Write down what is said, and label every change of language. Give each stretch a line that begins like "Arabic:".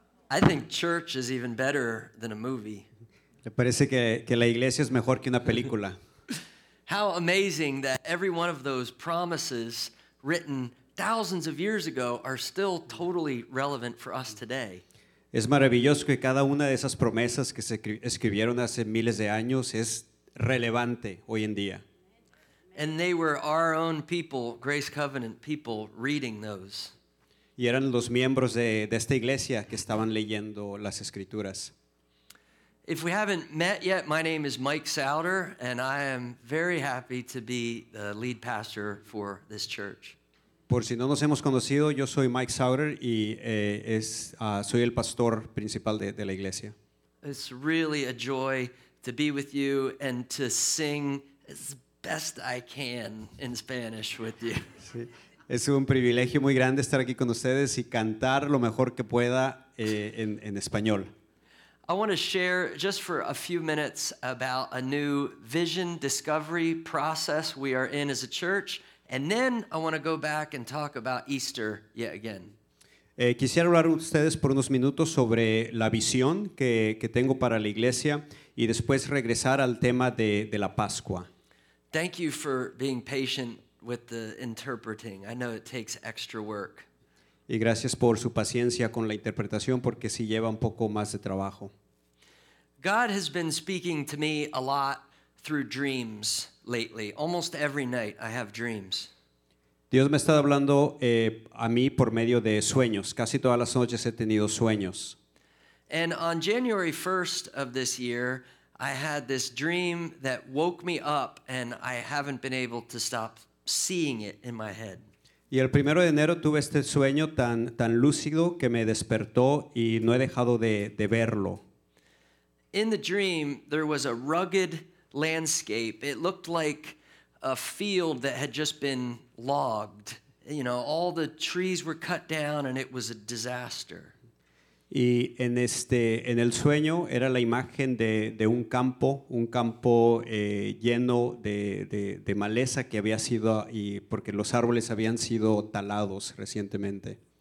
English: I think church is even better than a movie.
Spanish: Me parece que la iglesia es mejor que una película.
English: How amazing that every one of those promises written thousands of years ago are still totally relevant for us today.
Spanish: Es maravilloso que cada una de esas promesas que se escribieron hace miles de años es relevante hoy en día.
English: And they were our own people, Grace Covenant people, reading those.
Spanish: Y eran los miembros de esta iglesia que estaban leyendo las escrituras.
English: If we haven't met yet, my name is Mike Souder, and I am very happy to be the lead pastor for this church.
Spanish: Por si no nos hemos conocido, yo soy Mike Souder, y soy el pastor principal de la iglesia.
English: It's really a joy to be with you and to sing as best I can in Spanish with you.
Spanish: Sí. Es un privilegio muy grande estar aquí con ustedes y cantar lo mejor que pueda en español.
English: I want to share just for a few minutes about a new vision discovery process we are in as a church, and then I want to go back and talk about Easter yet again.
Spanish: Quisiera hablar con ustedes por unos minutos sobre la visión que tengo para la iglesia y después regresar al tema de la Pascua.
English: Thank you for being patient with the interpreting. I know it takes extra work.
Spanish: Y gracias por su paciencia con la interpretación porque sí lleva un poco más de trabajo.
English: God has been speaking to me a lot through dreams lately. Almost every night I have dreams.
Spanish: Dios me ha estado hablando a mí por medio de sueños. Casi todas las noches he tenido sueños.
English: And on January 1st of this year, I had this dream that woke me up and I haven't been able to stop seeing it in my head.
Spanish: Y el primero de enero tuve este sueño tan lúcido que me despertó y no he dejado de verlo.
English: in the dream, there was a rugged landscape. It looked like a field that had just been logged. You know, all the trees were cut down and it was a disaster.
Spanish: Y en este, en el sueño era la imagen de un campo lleno de maleza que había sido, y porque los árboles habían sido talados recientemente.